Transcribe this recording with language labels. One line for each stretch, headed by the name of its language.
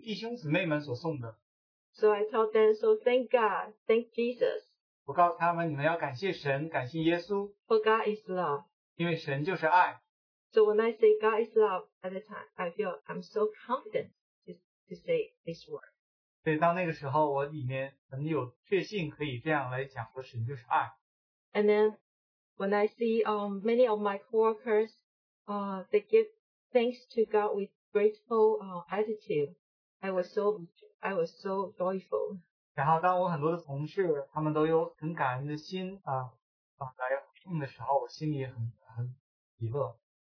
Chinese: 这些是在主耶稣基督与弟兄姊妹们所送的。
English: So I told them, so thank God, thank Jesus.
Chinese: 我告诉他们，你们要感谢神，感谢耶稣。
English: For God is love.
Chinese: 因为神就是爱。
English: So when I say God is love at the time, I feel I'm so confident to say this word.
Chinese: 对，到那个时候，我里面很有确信可以这样来讲说神就是爱。
English: And then when I see many of my coworkers, they give thanks to God with grateful attitude, I was so joyful.
Chinese: 然后当我很多的同事他们都有很感恩的心来回应的时候，我心里很喜乐。